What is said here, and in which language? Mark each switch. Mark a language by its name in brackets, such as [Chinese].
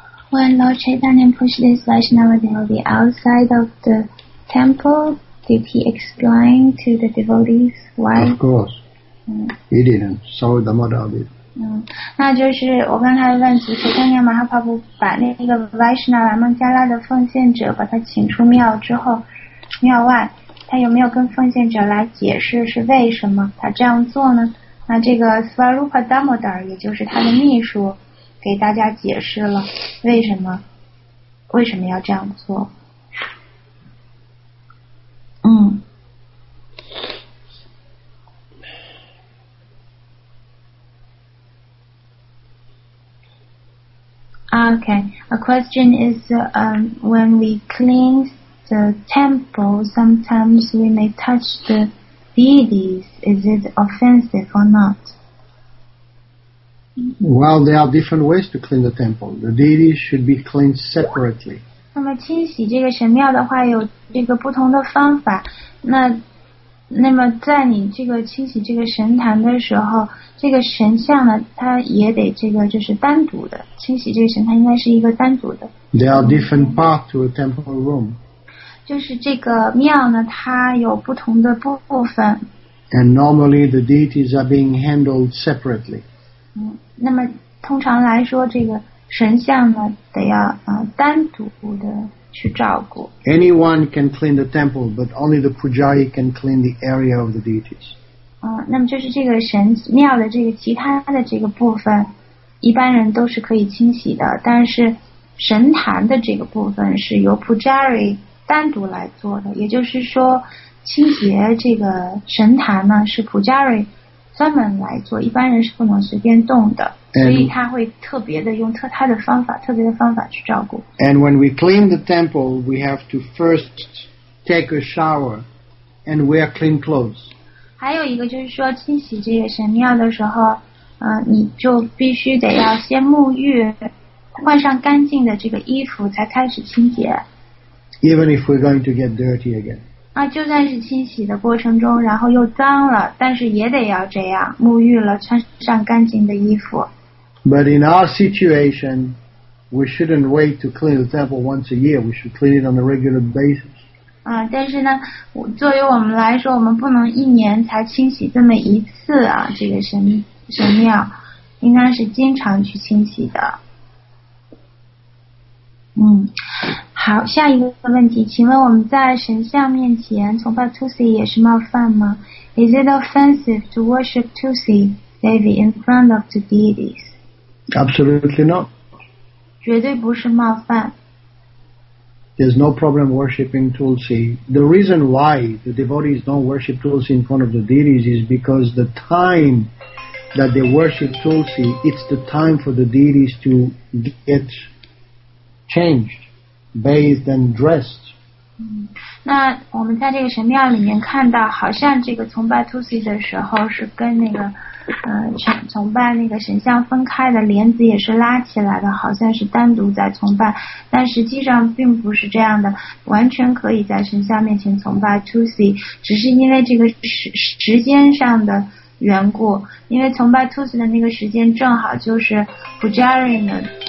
[English] When Lord Chaitanya pushed this Vaishnava devotee outside of the temple, did he explain to the devotees why? Of course. He didn't. So the mother of it. [Chinese] 那就是我刚才问题，昨天马哈帕布把那个 Vaishnava 孟加拉的奉献者把他请出庙之后，庙外，他有没有跟奉献者来解释是为什么他这样做呢？那这个 Swarupa Damodar 也就是他的秘书给大家解释了为什么要这样做。 [English] Okay, a question is when we cleanThe temple, sometimes we may touch the deities. Is it offensive or not? Well, there are different ways to clean the temple. The deities should be cleaned separately. [Chinese] 那么清洗这个神庙的话，有这个不同的方法。那么在你这个清洗这个神坛的时候，这个神像呢，它也得这个就是单独的清洗。这个神坛应该是一个单独的。 [English] There are different parts to a temple room. [Chinese] 就是这个庙呢，它有不同的部分。 [English] And normally the deities are being handled separately. [Chinese] 那么通常来说，这个神像呢得要单独的去照顾。 [English] Anyone can clean the temple, but only the pujari can clean the area of the deities. [Chinese] 那么就是这个神庙的这个其他的这个部分，一般人都是可以清洗的，但是神坛的这个部分是由 pujari 单独来做的，也就是说清洁这个神坛呢是 pujari 专门来做，一般人是不能随便动的。 [English] And, [Chinese] 所以他会特别的用特他的方法，特别的方法去照顾。 [English] And when we clean the temple, we have to first take a shower and wear clean clothes. [Chinese] 还有一个就是说，清洗这个神庙的时候，你就必须得要先沐浴，换上干净的这个衣服才开始清洁。 [English] Even if we're going to get dirty again. [Chinese] 就算是清洗的过程中，然后又脏了，但是也得要这样沐浴了，穿上干净的衣服。 [English] But in our situation, we shouldn't wait to clean the temple once a year. We should clean it on a regular basis. [Chinese] 但是呢，作为我们来说，我们不能一年才清洗这么一次啊。这个神庙应该是经常去清洗的。好，下一个问题，请问我们在神像面前崇拜 Tusi 也是冒犯吗 ？ [English] Is it offensive to worship Tusi Devi in front of the deities？ Absolutely not. [Chinese] 绝对不是冒犯。 [English] There's no problem worshipping Tulsi. The reason why the devotees don't worship Tulsi in front of the deities is because the time that they worship Tulsi, it's the time for the deities to get changed, bathed and dressed. [Chinese] 那我们在这个神庙里面看到，好像这个崇拜 Tulsi 的时候是跟那个崇拜那个神像分开的，帘子也是拉起来的，好像是单独在崇拜，但实际上并不是这样的，完全可以在神像面前崇拜 Tusi， 只是因为这个时间上的缘故，因为崇拜 Tusi 的那个时间正好就是 Pujari 呢